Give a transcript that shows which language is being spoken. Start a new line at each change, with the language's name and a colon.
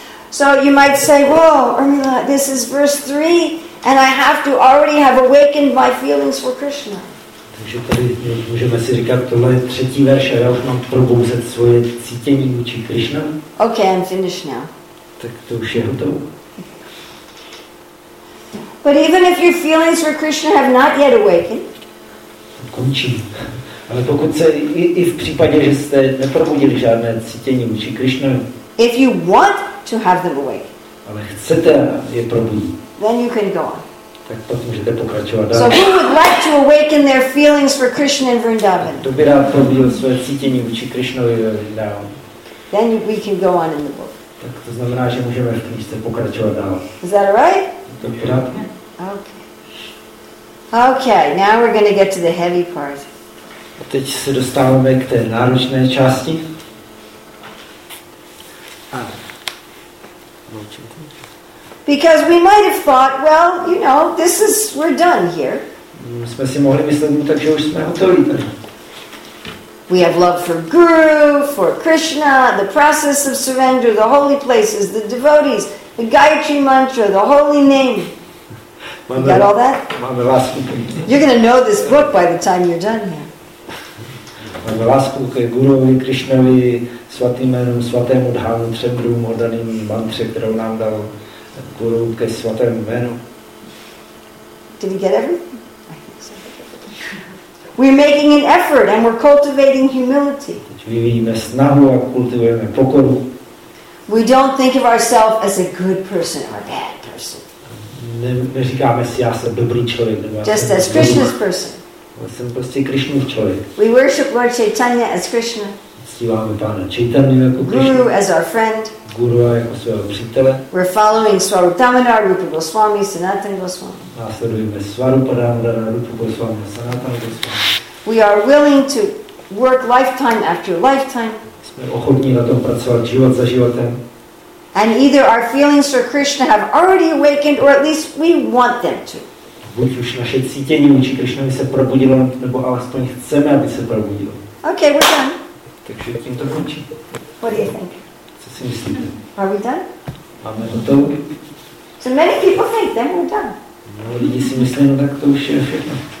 English: So you might say, whoa, Urmila, this is verse 3, and I have to already have awakened my feelings for Krishna.
Czech: Takže tady můžeme si říkat, tohle je třetí verš a já už mám probouzet svoje cítění vůči Krishna.
English: Okay, I'm finished now.
Czech: Tak to už je hotovo.
English: But even if your feelings for Krishna have not yet awakened.
Czech: Končím. Ale pokud se i v případě, že jste neprobudili žádné cítění vůči Krishna.
English: If you want to have them awake.
Czech: Ale chcete je probudit.
English: Then you can go on.
Czech: Tak pak můžete pokračovat dál.
English: So who would like to awaken their feelings for Krishna in Vrindavan?
Czech: Kdo by rád probudil své cítění vůči Krishnovi ve Vrindavan?
English: Then we can go on in the book.
Czech: Tak to znamená, že můžeme v knížce pokračovat dál.
English: Is that all right?
Czech: Je to v pořádku?
English: Okay. Okay, now we're going to get to the heavy part.
Czech: A teď se dostáváme k té náročné části.
English: Because we might have thought, well, you know, this is, we're done here.
Czech: Jsme si mohli myslet, takže už jsme hotoví.
English: We have love for Guru, for Krishna, the process of surrender, the holy places, the devotees, the Gayatri Mantra, the holy name.
Czech: Máme,
English: you got all that?
Czech: Máme lásku.
English: You're going to know this book by the time you're done here.
Czech: Máme lásku ke Guruvi, Krishnovi, svatým jménům, svatému dhámu, třem druhům oddaným mantře, kterou nám dal Guru ke svatému jménu.
English: Did you get everything? We're making an effort and we're cultivating humility.
Czech: My vidíme snahu a kultivujeme pokoru.
English: We don't think of ourselves as a good person or a bad person.
Czech: Neříkáme si, já jsem dobrý člověk.
English: Just as Krishna's person.
Czech: Jsem prostě Krishnův člověk.
English: We worship Lord Chaitanya as Krishna.
Czech: Uctíváme Pána Chaitanyu jako
English: Krishna. Guru as our friend.
Czech: Guru jako svého přítele.
English: We're following Swarupadamana, Rupa Goswami, Sanatana Goswami.
Czech: Následujeme Swarupadamana, Rupa Goswami, Sanatana Goswami.
English: We are willing to work lifetime after lifetime.
Czech: Jsme ochotní na tom pracovat život za životem.
English: And either our feelings for Krishna have already awakened, or at least we want them to.
Czech: Buď už naše cítění vůči Krishnovi se probudilo, nebo alespoň chceme, aby se probudilo.
English: Okay, we're done.
Czech: Takže tím to končí.
English: What do you think? Are we done? So many people think then we're done.
Czech: No, lidi si myslí, no tak to už je všechno.